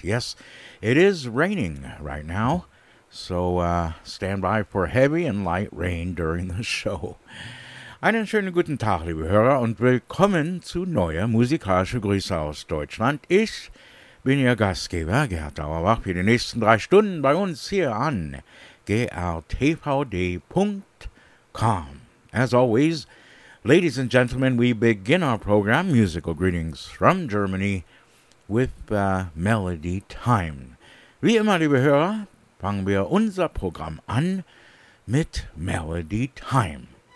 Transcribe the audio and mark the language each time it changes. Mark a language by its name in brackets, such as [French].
[English] Yes, it is raining right now, so stand by for heavy and light rain during the show. [German] Einen schönen guten Tag, liebe Hörer, und willkommen zu neuer musikalischer Grüße aus Deutschland. Ich bin Ihr Gastgeber, Gerhard Auerbach, für die nächsten drei Stunden bei uns hier an grtvd.com. [English] As always, ladies and gentlemen, we begin our program, Musical Greetings from Germany, with Melody Time. [German] Wie immer, liebe Hörer, fangen wir unser Programm an mit Melody Time.